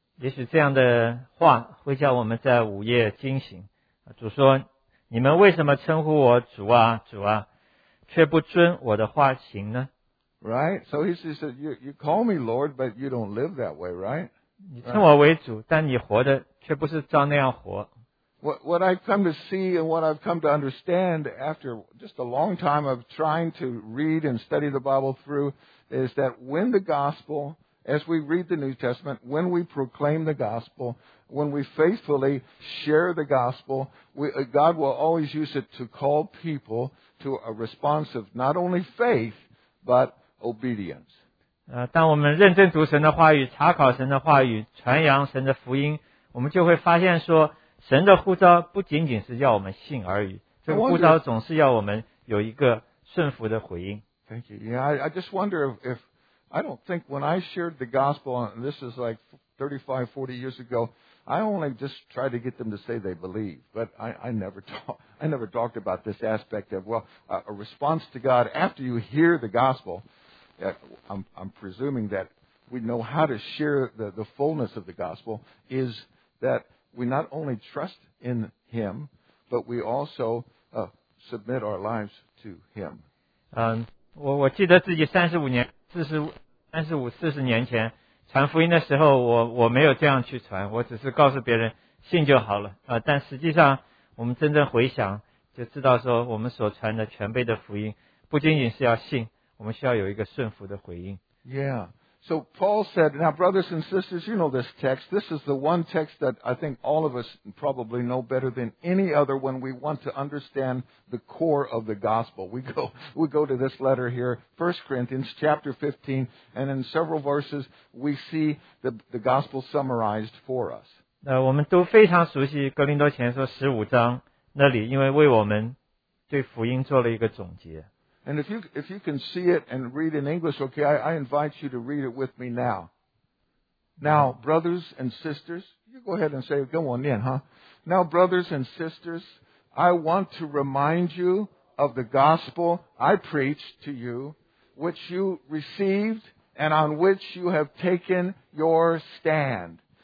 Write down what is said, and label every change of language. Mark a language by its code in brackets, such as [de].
[zh] 也许这样的话会叫我们在午夜惊醒。主说，你们为什么称呼我主啊，主啊，却不遵我的话行呢？ [en] Right? So he says, you call me Lord, but you don't live that way, right? [zh] 你称我为主，但你活的却不是照那样活。 [en] What I've come to see and what I've come to understand after just a long time of trying to read and study the Bible through is that when the gospel, as we read the New Testament, when we proclaim the gospel, when we faithfully share the gospel, God will always use it to call people to a response of not only faith, but obedience. [zh] 当我们认真读神的话语，查考神的话语，传扬神的福音，我们就会发现说神的呼召不仅仅是要我们信而已，这个呼召总是要我们有一个顺服的回应。 [en] Thank you. Yeah, I just wonder if I don't think when I shared the gospel, and this is like 35, 40 years ago, I only just tried to get them to say they believe. But I never talked about this aspect of, well, a response to God after you hear the gospel. I'm presuming that we know how to share the fullness of the gospel is that we not only trust in Him, but we also submit our lives to Him. [zh] 我记得自己35、40年前传福音的时候，我没有这样去传，我只是告诉别人信就好了。但实际上我们真正回想，就知道说我们所传的全辈的福音，不仅仅是要信，我们需要有一个顺服的回应。 [en] Yeah, So Paul said, now brothers and sisters, you know this text. This is the one text that I think all of us probably know better than any other when we want to understand the core of the gospel. We go to this letter here, 1 Corinthians chapter 15, and in several verses we see the gospel summarized for us. 我们都非常熟悉哥林多前书15章，那里因为为我们对福音做了一个总结。 And if you can see it and read in English, okay, I invite you to read it with me now. Now, brothers and sisters, you go ahead and say, [zh] 跟我念, [en] huh? Now, brothers and sisters, I want to remind you of the gospel I preached to you, which you received and on which you have taken your stand.